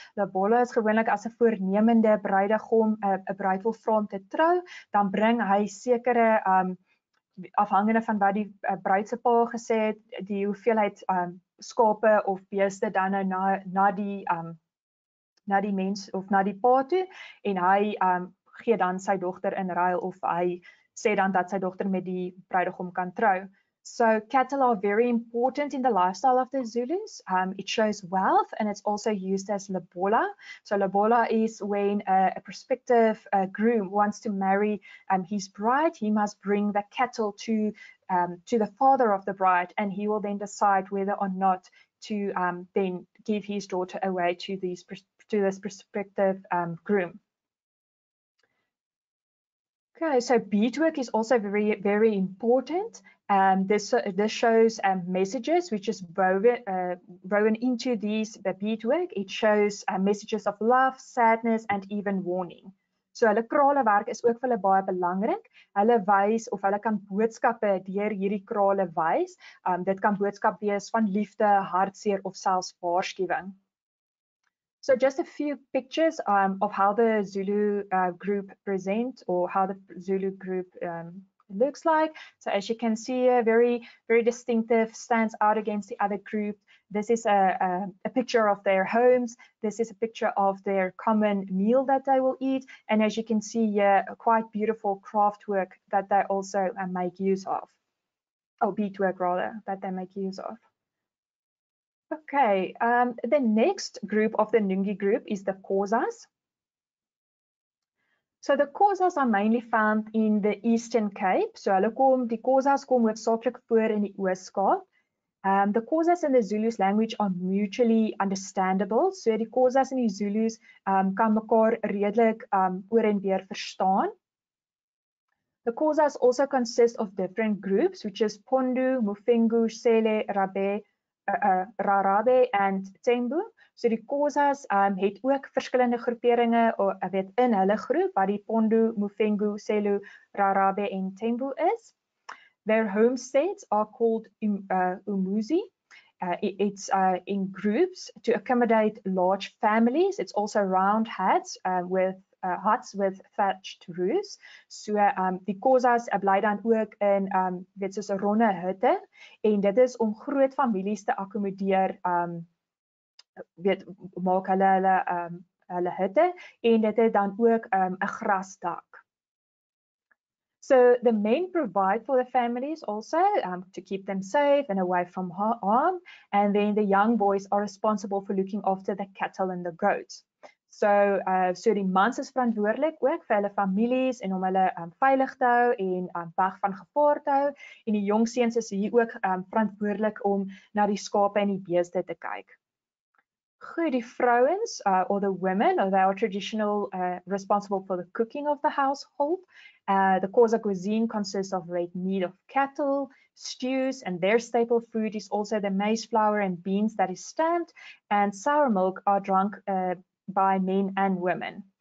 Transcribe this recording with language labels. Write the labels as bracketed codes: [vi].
[af] Lebola is gewoonlik as 'n voornemende bruidegom, 'n bruid wil vra om te trou, dan bring hy sekere afhangende van wat die bruidspa gesê het, die hoeveelheid skape of beeste dan nou na die mens of na die pa toe en hy gee dan sy dogter in ruil of hy sê dan dat sy dogter met die bruidegom kan trou. [en] So cattle are very important in the lifestyle of the Zulus. It shows wealth and it's also used as lebola. So lebola is when a prospective groom wants to marry his bride, he must bring the cattle to the father of the bride and he will then decide whether or not to then give his daughter away to this prospective groom. Okay, so beadwork is also very, very important. This shows messages which is woven into the beadwork. It shows messages of love, sadness, and even warning. [af] So hulle krale werk is ook vir hulle baie belangrik. Hulle wys of hulle kan boodskappe deur hierdie krale wys. Dit kan boodskap wees van liefde, hartseer of selfs waarskuwing. [en] So just a few pictures of how the Zulu group present or how the Zulu group looks like. So as you can see, a very, very distinctive stands out against the other group. This is a picture of their homes. This is a picture of their common meal that they will eat. And as you can see, quite beautiful craft work that they also make use of. Or beadwork rather, that they make use of. Okay, the next group of the Nungi group is the Khoisas. So the Khoisas are mainly found in the Eastern Cape. [af] So die Khoisas kom hoofsaaklik voor in die Oos-Kaap. [en] The Khoisas in the Zulu's language are mutually understandable. [af] So die Khoisas in die Zulu's kan mekaar redelik oor en weer verstaan. [en] The Khoisas also consist of different groups, which is Pondu, Mufengu, Sele, Rabe, Rarabe and Tembu. [af] So die Khoisas het ook verskillende groeperinge of weet in hulle groep wat die Pondu, Mufengu, Selu, Rarabe en Tembu is. [en] Their homesteads are called umuzi. It's in groups to accommodate large families. It's also round huts with thatched roofs. [af] So die Khoisas bly dan ook in weet soos 'n ronde hutte en dit is om groot families te akkommodeer weet maak hulle hutte en dit het dan ook 'n grasdak. [en] So the men provide for the families also to keep them safe and away from harm and then the young boys are responsible for looking after the cattle and the goats. [af] So die mans is verantwoordelik ook vir hulle families en om hulle veilig te hou en weg van gevaar te hou en die jong seuns is hier ook verantwoordelik om na die skape en die beeste te kyk. Goed, die vrouens [en] or the women or they are traditional responsible for the cooking of the household. The Khoisa cuisine consists of red meat of cattle, stews, and their staple food is also the maize flour and beans that is stamped and sour milk are drunk by men and women.